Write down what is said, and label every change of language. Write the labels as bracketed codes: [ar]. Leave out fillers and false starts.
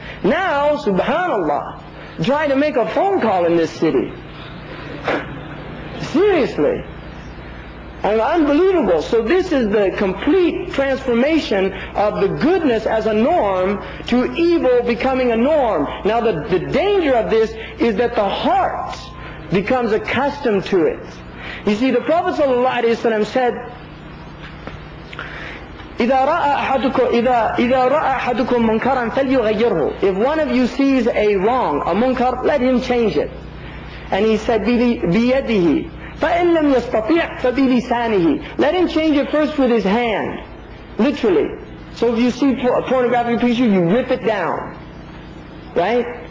[en] Now, subhanAllah, try to make a phone call in this city. Seriously. And unbelievable. So this is the complete transformation of the goodness as a norm to evil becoming a norm. Now the danger of this is that the heart becomes accustomed to it. You see, the Prophet ﷺ said, [ar] إذا رأى أحدكم منكرا فليغيره. [en] If one of you sees a wrong, a munkar, let him change it. And he said, [ar] بيده. فَإِنْ لَمْ يَسْتَطِعْ فَبِلِسَانِهِ. [en] Let him change it first with his hand. Literally. So if you see a pornographic picture, you rip it down. Right?